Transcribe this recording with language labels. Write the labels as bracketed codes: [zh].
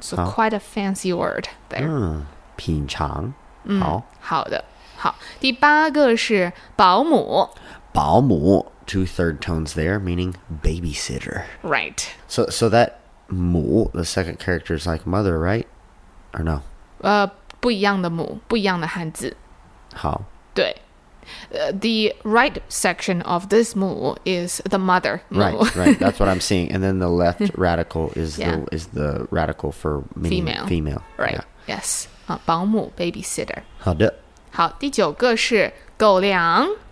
[en] So、oh. quite a fancy word there.、 [zh] 品尝、好。好的。好。第八个是保姆。 [en] 保姆 two third tones there, meaning babysitter. Right. So that 母, the second character is like mother, right? Or no?、 [zh] 不一样的母,不一样的汉字。好。对。 [en] The right section of this mu is the mother. Mu. Right. That's what I'm seeing. And then the left radical is,、is the radical for female. Female. Right.、Yes. 保姆 babysitter. [zh] 好的。好，第九个是狗粮。